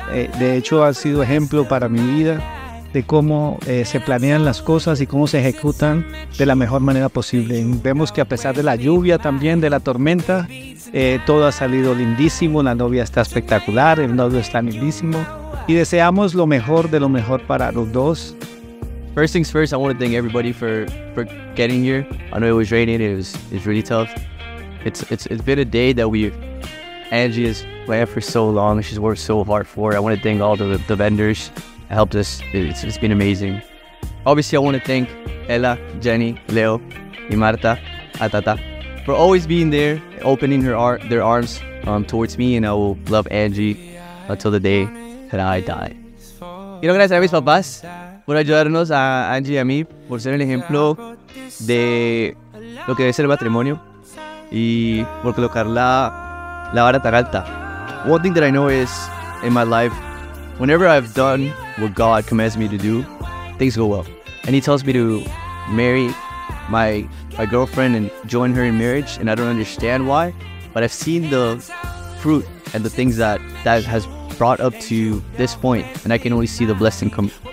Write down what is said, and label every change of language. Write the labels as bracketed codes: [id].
[es] De hecho, ha sido ejemplo para mi vida de cómo se planean las cosas y cómo se ejecutan de la mejor manera posible. Y vemos que a pesar de la lluvia también, de la tormenta, todo ha salido lindísimo, la novia está espectacular, el novio está lindísimo. Y deseamos lo mejor de lo mejor para los dos. [en] First things first, I want to thank everybody for getting here. I know it was raining, it was really tough. It's been a day that Angie has planned for so long. She's worked so hard for it. I want to thank all the vendors that helped us. It's been amazing. Obviously, I want to thank Ella, Jenny, Leo, y Marta, Atata, for always being there, opening their arms towards me, and I will love Angie until the day that I die. [es] Quiero agradecer a mis papás por ayudarnos, a Angie y a mí, por ser el ejemplo de lo que debe ser el matrimonio y por colocar la vara tan alta. [en] One thing that I know is, in my life, whenever I've done what God commands me to do, things go well. And He tells me to marry my girlfriend and join her in marriage, and I don't understand why, but I've seen the fruit and the things that has brought up to this point, and I can only see the blessing come.